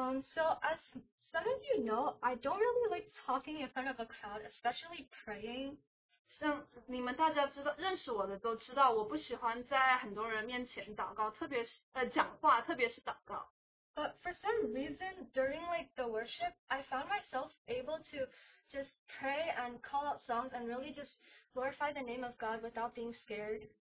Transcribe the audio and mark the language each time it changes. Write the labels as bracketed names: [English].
[English] as some of you know, I don't really like talking in front of a crowd, especially praying. [Chinese] 像你们大家知道认识我的都知道我不喜欢在很多人面前祷告，特别是讲话，特别是祷告。 [English] But for some reason, during like the worship, I found myself able to just pray and call out songs and really just glorify the name of God without being scared.